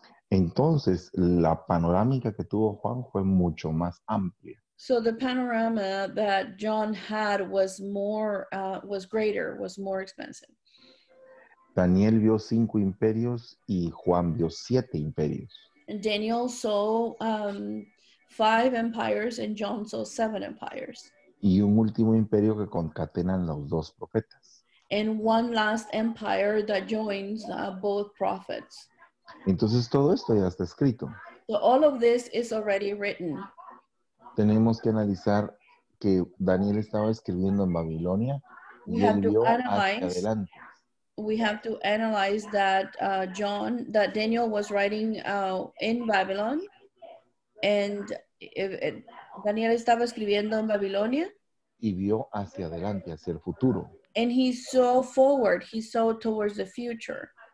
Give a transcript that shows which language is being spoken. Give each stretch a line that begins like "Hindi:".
Spanish: Entonces, la panorámica que tuvo Juan fue mucho más amplia.
English: So the panorama that John had was more, was greater, was more expansive.
Spanish: Daniel vio cinco imperios y Juan vio siete imperios.
English: And Daniel saw five empires and John saw seven empires.
Spanish: Y un último imperio que concatenan los dos profetas.
English: And one last empire that joins both prophets.
Spanish: Entonces todo esto ya está escrito.
English: So all of this is already written.
Spanish: Tenemos que analizar que Daniel estaba escribiendo en Babilonia y él vio hacia adelante.
English: We have to analyze that John, that Daniel was writing in Babylon, and
Spanish: Daniel estaba escribiendo en Babilonia. Y vio hacia adelante, hacia el futuro.
English: And he saw forward, he saw towards the future.